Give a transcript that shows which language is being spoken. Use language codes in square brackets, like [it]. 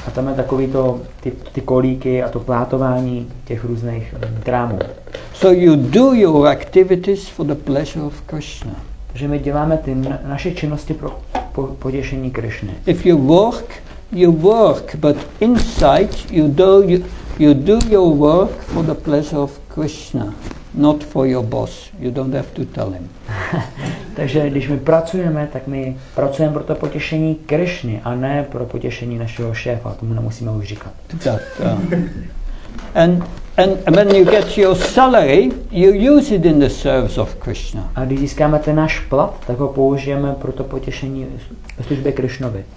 [cs] A tam je takový to, ty kolíky a to plátování těch různých drámů. [en] So you do your activities for the pleasure of Krishna. [cs] Takže my děláme ty naše činnosti pro potěšení Krishny. [en] If you work, you work, but inside you do your work for the pleasure of Krishna. Not for your boss. You don't have to tell him. [cs] Takže když my pracujeme, tak my pracujeme pro to potěšení Krishny, a ne pro potěšení našeho šéfa. Tomu nemusíme už říkat. [en] And when you get your salary, you use it in the service of Krishna. [cs] A když získáme ten náš plat, tak ho použijeme pro to potěšení službě Krishnovi.